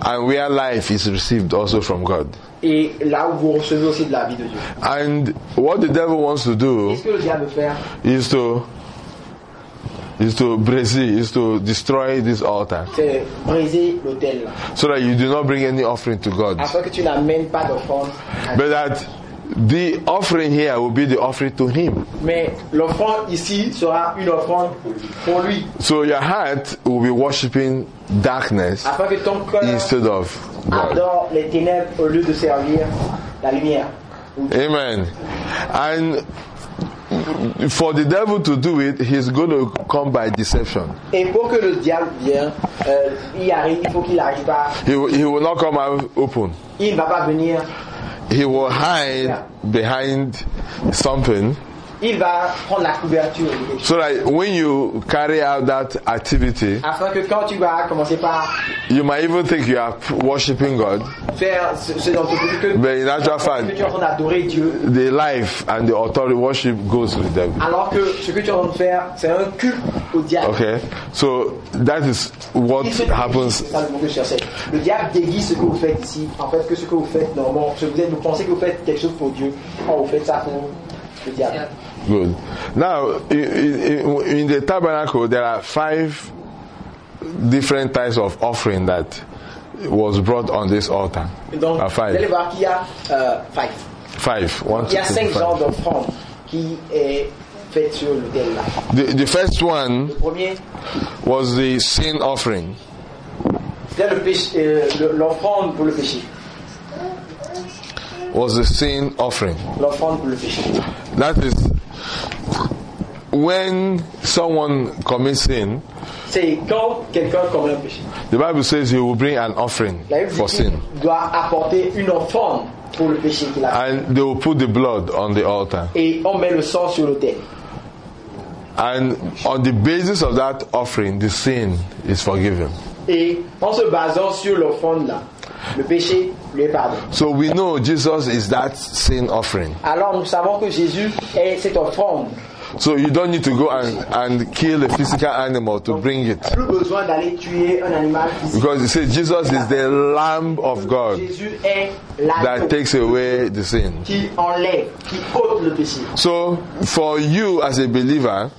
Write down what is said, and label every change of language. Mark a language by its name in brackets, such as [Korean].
[English] And where life is received also from God. [French] Et là où vous recevez aussi de la vie de Dieu. [English] And what the devil wants to do. [French] Qu'est-ce que le diable fait? [English] Is to destroy this altar. [French] C'est briser l'autel. [English] So that you do not bring any offering to God. [French] Afin que tu n'amènes pas d'offrande. [English] But that the offering here will be the offering to Him. [French] Mais l'offrande ici sera une offrande pour lui. [English] So your heart will be worshiping darkness. [French] Afin que ton cœur [English] instead of God. [French] Adore les ténèbres au lieu de servir la lumière. [English] Amen. And for the devil to do it, he's going to come by deception. [French] Et pour que le diable vienne, il arrive, il faut qu'il arrive pas. [English] He will not come out open. [French] Il ne va pas venir. [English] He will hide behind something. [French] Il va prendre la couverture. [English] So that when you carry out that activity, [French] afin que quand tu vas commencer par, [English] you might even think you are worshiping God. [French] Faire ce dont tu veux que. [English] But in actual fact, [French] tu es en train d'adorer Dieu. [English] The life and the authority worship goes with them. [French] Alors que ce que tu es en train de faire, c'est un culte au diable. [English] Okay, so that is what happens. [French] Le diable déguise ce que vous faites ici. En fait, que ce que vous faites normalement, ce que vous êtes, vous pensez que vous faites quelque chose pour Dieu, quand vous faites ça pour [English] yeah. Good. Now, in the tabernacle, there are five different types of offering that was brought on this altar. [French] Donc, [English] five. [French] Vous allez voir qu'il y a [English] five. One, [French] il y a cinq genres d'offrandes qui est faite sur l'autel là. [English] The first one, [French] le premier, [English] was the sin offering. [French] C'est le péché, l'offrande pour le péché. [English] Was a sin offering. [French] L'offrande pour le péché. [English] That is when someone commits sin. [French] C'est quand quelqu'un commet un péché. [English] The Bible says he will bring an offering for sin. [French] Doit apporter une offrande pour le péché qu'il a fait. [English] And they will put the blood on the altar. [French] Et on met le sang sur l'autel. [English] And on the basis of that offering, the sin is forgiven. [French] Et en se basant sur l'offrande là. Le péché lui est pardon. [English] So we know Jesus is that sin offering. [French] Alors nous savons que Jésus est cette offrande. [English] So you don't need to go and kill a physical animal to bring it. [French] Plus besoin d'aller tuer un animal physique. [English] Because you say Jesus is the Lamb of God. [French] Jésus est l'agneau [English] that takes away the sin. [French] Qui enlève, qui ôte le péché. [English] So for you as a believer.